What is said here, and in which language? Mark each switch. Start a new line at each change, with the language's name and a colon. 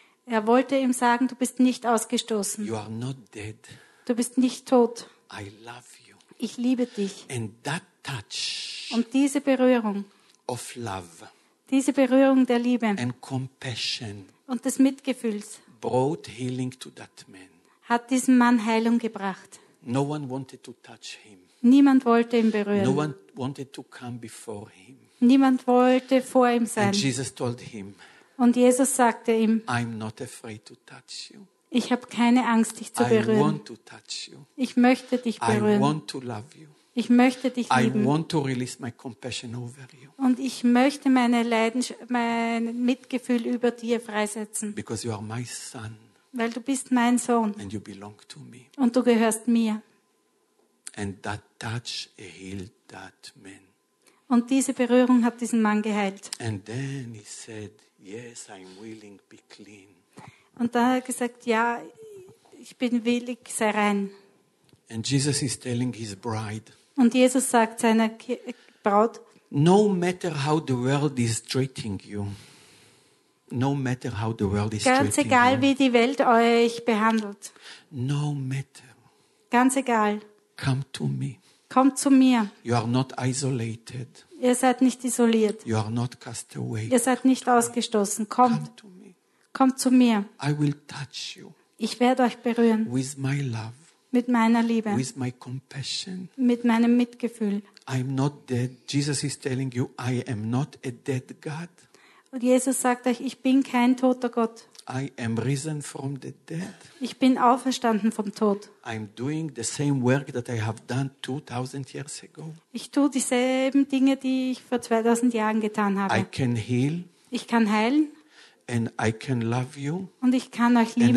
German: Er wollte ihm sagen, du bist nicht ausgestoßen.
English: You are not dead.
German: Du bist nicht tot.
English: I love you.
German: Ich liebe dich.
English: And that touch.
German: Und diese Berührung.
English: Of love.
German: Diese Berührung der Liebe.
English: And compassion.
German: Und des Mitgefühls.
English: Brought healing to that man.
German: Hat diesem Mann Heilung gebracht.
English: No one wanted to touch him.
German: Niemand wollte ihn berühren.
English: No one wanted to come before him.
German: Niemand wollte vor ihm sein.
English: And Jesus told him,
German: und Jesus sagte ihm,
English: I'm not afraid to touch you.
German: Ich habe keine Angst, dich zu berühren.
English: I want to touch you.
German: Ich möchte dich berühren.
English: I want to love you.
German: Ich möchte dich lieben.
English: I want to release my compassion over you.
German: Und ich möchte meine mein Mitgefühl über dir freisetzen.
English: Because you are my son.
German: Weil du bist mein Sohn.
English: And you belong to me.
German: Und du gehörst mir.
English: And that touch healed that man.
German: Und diese Berührung hat diesen Mann geheilt.
English: And then he said, yes, I'm willing, be clean.
German: Und da hat er gesagt, ja, ich bin willig, sei rein.
English: And Jesus is telling his bride.
German: Und Jesus sagt seiner Braut,
English: no matter how the world is treating you. No matter how the world is treating you.
German: Ganz egal, wie die Welt euch behandelt.
English: No matter.
German: Ganz egal.
English: Come to me.
German: Komm zu mir.
English: You are not isolated.
German: Ihr seid nicht isoliert.
English: You are not cast away.
German: Ihr seid nicht ausgestoßen. Kommt.
English: Come to me.
German: Kommt zu mir.
English: I will touch you.
German: Ich werde euch berühren.
English: With my love.
German: Mit meiner Liebe.
English: With my compassion.
German: Mit meinem Mitgefühl.
English: I'm not dead. Jesus is telling you, I am not a dead God.
German: Und Jesus sagt euch, ich bin kein toter Gott.
English: I am risen from the dead.
German: Ich bin auferstanden vom Tod.
English: I'm doing the same work that I have done 2000 years ago.
German: Ich tue dieselben Dinge, die ich vor 2000 Jahren getan habe.
English: I can heal.
German: Ich kann heilen.
English: And I can love you.
German: Und ich kann euch lieben.